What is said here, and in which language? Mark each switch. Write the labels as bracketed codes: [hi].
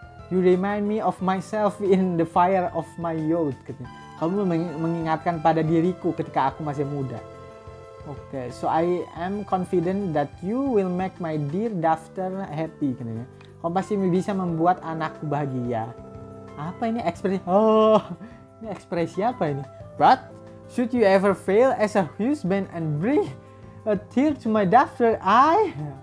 [en] You remind me of myself in the fire of my youth. [id] Kamu mengingatkan pada diriku ketika aku masih muda. [en] Okay, so I am confident that you will make my dear daughter happy. [id] Kamu pasti bisa membuat anakku bahagia. Apa ini ekspresi? Oh, ini ekspresi apa ini? [en] But should you ever fail as a husband and bring a tear to my daughter, I...